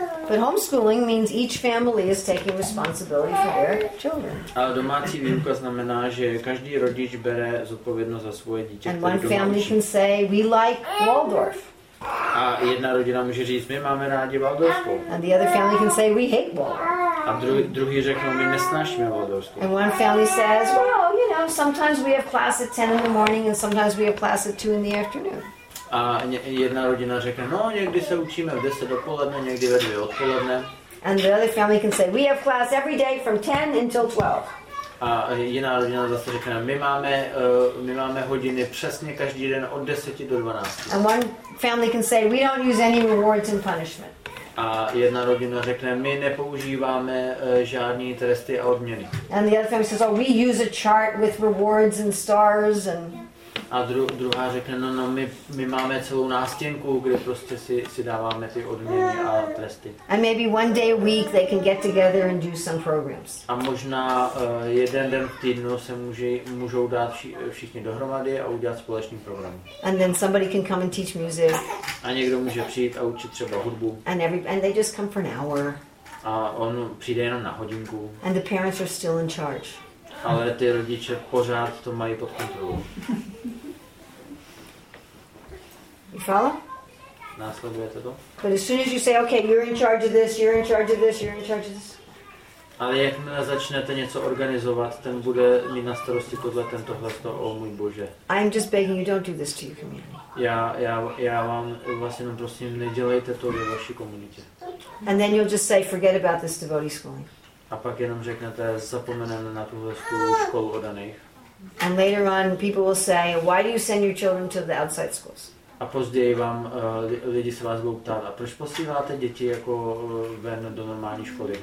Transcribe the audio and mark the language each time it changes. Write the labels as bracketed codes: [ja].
[en] But homeschooling means each family is taking responsibility for their children. [cs] Ale domácí výuka znamená, že každý rodič bere zodpovědnost za svoje dítě. [en] And one family can say, we like Waldorf. [cs] A jedna rodina může říct, my máme rádi Waldorfskou. [en] And the other family can say, we hate Waldorf. [cs] A druhý řekne, my nesnášíme Waldorfskou. [en] And one family says, well, you know, sometimes we have class at 10 in the morning and sometimes we have class at 2 in the afternoon. [cs] A jedna rodina řekne, no, někdy se učíme v 10 dopoledne, někdy ve 2 odpoledne. [en] And the other family can say, we have class every day from 10 until 12. [cs] A jiná rodina zase řekne, my máme hodiny přesně každý den od 10 do 12. [en] And one family can say, we don't use any rewards and punishment. [cs] A jedna rodina řekne, my nepoužíváme žádné tresty a odměny. [en] And the other family says, oh, we use a chart with rewards and stars and... [cs] A druhá řekne, no my máme celou nástěnku, kde prostě si dáváme ty odměny a tresty. [en] And maybe one day a week they can get together and do some programs. [cs] A možná jeden den v týdnu se můžou dát všichni dohromady a udělat společný program. [en] And then somebody can come and teach music. [cs] A někdo může přijít a učit třeba hudbu. [en] And they just come for an hour. [cs] A on přijde jenom na hodinku. [en] And the parents are still in charge. [cs] Ale ty rodiče pořád to mají pod kontrolou. [en] You follow? [cs] Následujete to? [en] But as soon as you say, okay, you're in charge of this, you're in charge of this, you're in charge of this. [cs] Ale jakmile začnete něco organizovat, ten bude mít na starosti tohle, tentohle, to, o můj Bože. [en] I'm just begging you, don't do this to your community. [cs] Já vám vás jenom prosím, nedělejte to ve vaší komunitě. [en] And then you'll just say, forget about this devotee schooling. [cs] A pak jenom řeknete, zapomeneme na tuhle školu odaných. [en] And later on people will say, why do you send your children to the outside schools? [cs] A později vám lidi se vás budou ptát, a proč posíláte děti jako ven do normální školy?